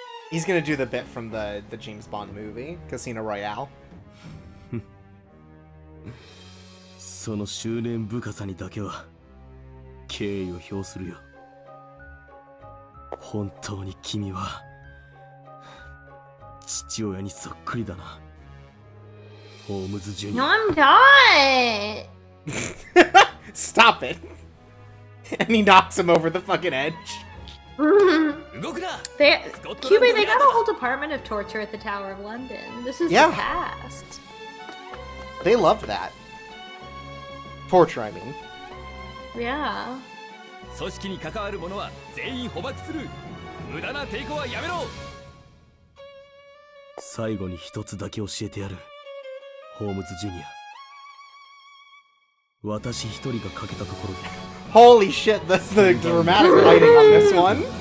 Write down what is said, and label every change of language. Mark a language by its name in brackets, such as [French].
[English] He's gonna do the bit from the James Bond movie, Casino Royale. [Japanese] その執念深さにだけは敬意を表するよ。本当に君は父親にそっくりだな。ホームズジュニア。 [English] No, I'm not! Stop it! And he knocks him over the fucking edge. They got a whole department of torture at the Tower of London. This is the past. They loved that. Torture, I mean. Yeah. [Japanese] 組織に関わる者は全員捕獲する。無駄な抵抗はやめろ。最後に一つだけ教えてやる、ホームズジュニア。私一人が欠けたところで。 [English] Holy shit, that's the dramatic writing on this one.